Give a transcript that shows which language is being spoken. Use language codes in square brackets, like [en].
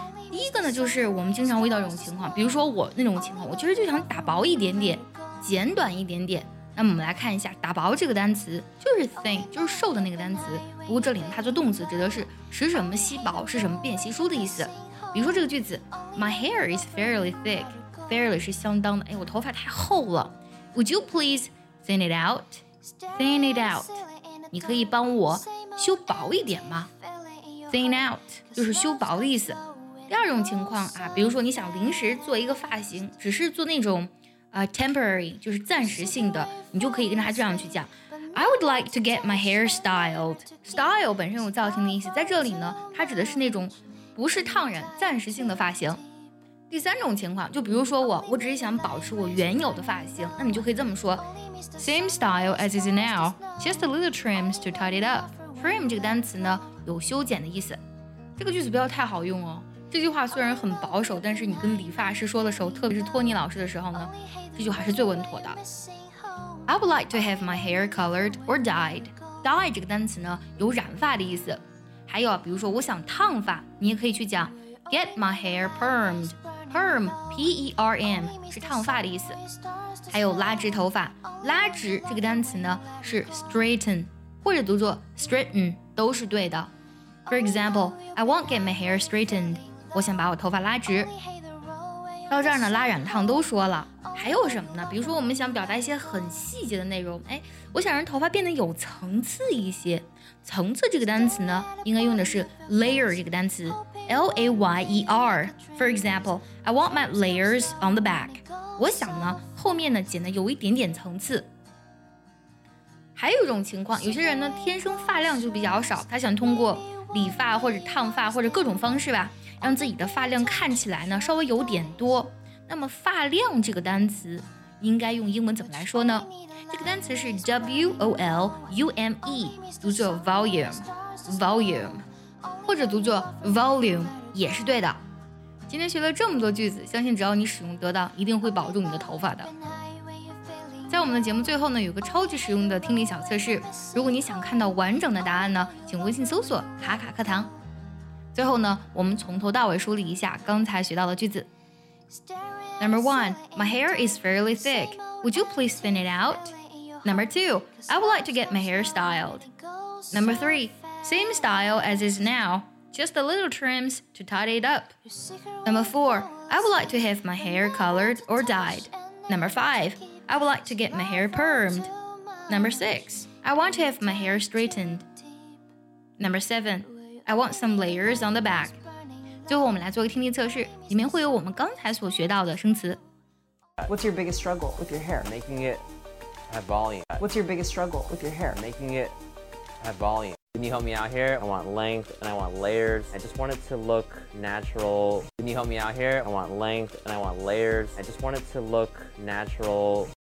[zh] 第一个呢，就是我们经常遇到这种情况，比如说我那种情况，我其实就想打薄一点点，剪短一点点。那么我们来看一下，打薄这个单词就是 thin， 就是瘦的那个单词。不过这里呢，它做动词，指的是使什么稀薄，是什么变稀疏的意思。比如说这个句子 ， [en] My hair is fairly thick， [zh] fairly 是相当的，哎，我头发太厚了。 [en] Would you please thin it out？ Thin it out， [zh] 你可以帮我修薄一点吗？ Thin out 就是修薄的意思。第二种情况啊，比如说你想临时做一个发型，只是做那种temporary， 就是暂时性的，你就可以跟他这样去讲 [en] I would like to get my hair styled。 [zh] style 本身有造型的意思，在这里呢，它指的是那种不是烫染，暂时性的发型。第三种情况，就比如说我只是想保持我原有的发型，那你就可以这么说 [en] same style as is now， just a little trims to tidy it up。 [zh] trim 这个单词呢，有修剪的意思。这个句子不要太好用哦，这句话虽然很保守，但是你跟理发师说的时候，特别是托尼老师的时候呢，这句话是最稳妥的。 [en] I would like to have my hair colored or dyed。 [zh] dye 这个单词呢，有染发的意思。还有啊，比如说我想烫发，你也可以去讲 [en] get my hair permed。 [zh] perm P-E-R-M 是烫发的意思。还有拉直头发，拉直这个单词呢是 straighten， 或者读作 straighten 都是对的。 [en] For example, I won't get my hair straightened. [zh] 我想把我头发拉直。到这儿呢，拉染烫都说了，还有什么呢？比如说我们想表达一些很细节的内容，哎，我想让头发变得有层次一些。层次这个单词呢，应该用的是 layer 这个单词 ，L-A-Y-E-R. [en] For example, I want my layers on the back. [zh] 我想呢，后面呢剪得有一点点层次。还有一种情况，有些人呢天生发量就比较少，他想通过理发或者烫发或者各种方式吧，让自己的发量看起来呢稍微有点多。那么发量这个单词应该用英文怎么来说呢？这个单词是 V-O-L-U-M-E， 读作 volume， volume， 或者读作 volume 也是对的。今天学了这么多句子，相信只要你使用得当，一定会保住你的头发的。在我们的节目最后呢，有个超级实用的听力小测试，如果你想看到完整的答案呢，请微信搜索卡卡课堂。最后呢，我们从头到尾梳理一下刚才学到的句子。 [en] Number one, my hair is fairly thick. Would you please thin it out? Number two, I would like to get my hair styled. Number three, same style as is now, just a little trims to tidy it up. Number four, I would like to have my hair colored or dyed. Number five,I would like to get my hair permed. Number six, I want to have my hair straightened. Number seven, I want some layers on the back. [zh] 最后我们来做个听力测试，里面会有我们刚才所学到的生词。 [en] What's your biggest struggle with your hair? Making it have volume. What's your biggest struggle with your hair? Making it have volume. Can you help me out here? I want length and I want layers. I just want it to look natural. Can you help me out here? I want length and I want layers. I just want it to look natural.